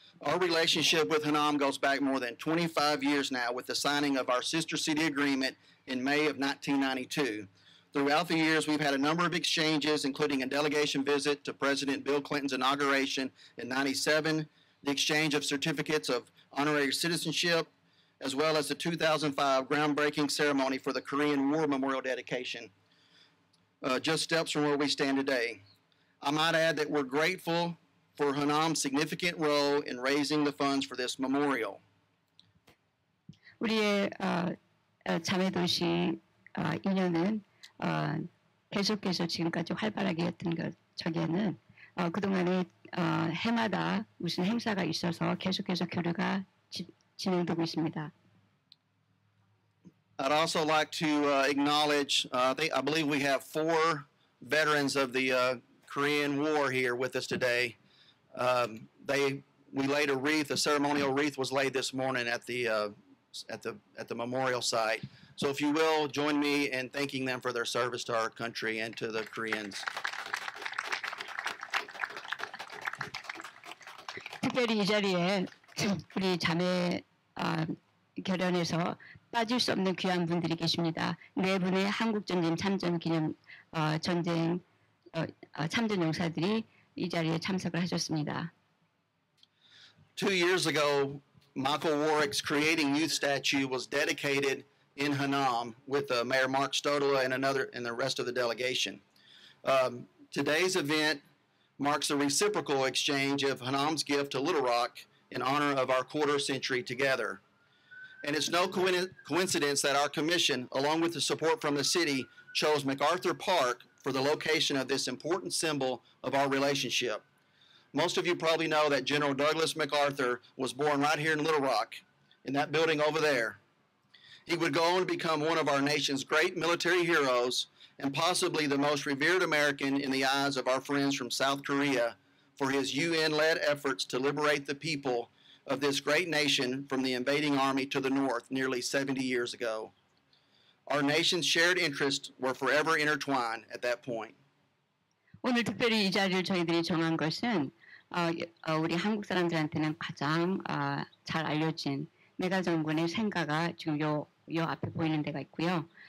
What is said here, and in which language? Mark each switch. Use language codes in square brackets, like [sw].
[en] Our relationship with Hanam goes back more than 25 years now with the signing of our sister city agreement in May of 1992. Throughout the years, we've had a number of exchanges, including a delegation visit to President Bill Clinton's inauguration in 97, the exchange of certificates of honorary citizenship, as well as the 2005 groundbreaking ceremony for the Korean War Memorial dedication, just steps from where we stand today. I might add that we're grateful for Hanam's significant role in raising the funds for this memorial. [ko] 우리의 자매 도시 인연은 계속해서 지금까지 활발하게 했던 것 저기에는 그동안에 해마다 무슨 행사가 있어서 계속해서 교류가 진행되고 있습니다. [en] I'd also like to acknowledge, I believe we have four veterans of the Korean War here with us today. We laid a wreath, a ceremonial wreath was laid this morning at the memorial site. So if you will, join me in thanking them for their service to our country and to the Koreans. [ko] 특별히 이 자리에 우리 자매 결연에서 빠질 수 없는 귀한 분들이 계십니다. 네 분의 한국전쟁 참전 기념 전쟁 참전 용사들이 이 자리에 참석을 하셨습니다. [en] Two years ago, Michael Warrick's Creating Youth Statue was dedicated in Hanam with Mayor Mark Stodola and the rest of the delegation. Today's event marks a reciprocal exchange of Hanam's gift to Little Rock in honor of our quarter century together. And it's no coincidence that our commission, along with the support from the city, chose MacArthur Park for the location of this important symbol of our relationship. Most of you probably know that General Douglas MacArthur was born right here in Little Rock, in that building over there. He would go on to become one of our nation's great military heroes and possibly the most revered American in the eyes of our friends from South Korea for his UN-led efforts to liberate the people of this great nation from the invading army to the north nearly 70 years ago. Our nation's shared interests were forever intertwined at that point. [ko] 오늘 특별히 이 자리를 저희들이 정한 것은 우리 한국 사람들한테는 가장 잘 알려진 메가 정군의 생가가 지금 요 앞에 보이는 데가 있고요.